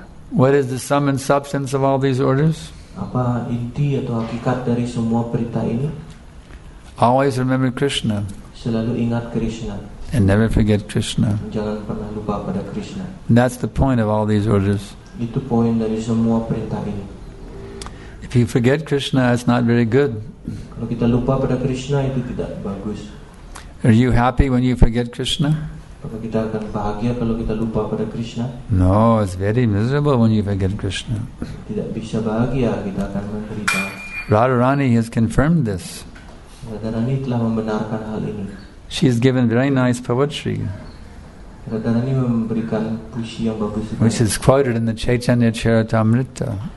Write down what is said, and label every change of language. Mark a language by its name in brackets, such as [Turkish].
[English] What is the sum and substance of all these orders? [Indonesian] Apa inti atau hakikat dari semua perintah ini? [English] Always remember Krishna. [Indonesian] Selalu ingat Krishna. [English] And never forget Krishna. [Indonesian] Jangan pernah lupa pada Krishna. [English] And that's the point of all these orders. [Indonesian] Itu poin dari semua perintah ini. [English] If you forget Krishna, it's not very good. [Indonesian] Kalau kita lupa pada Krishna, itu tidak bagus. [English] Are you happy when you forget Krishna? [Indonesian] Apakah kita akan bahagia kalau kita lupa pada Krishna? [English] No, it's very miserable when you forget Krishna. [Indonesian] Tidak bisa bahagia, kita akan menderita. [English] Radharani has confirmed this. [Indonesian] Radharani telah membenarkan hal ini. [English] She has given very nice poetry, [Indonesian] Radharani memberikan puisi yang bagus sekali, [English] which is quoted in the Chaitanya Charitamrita.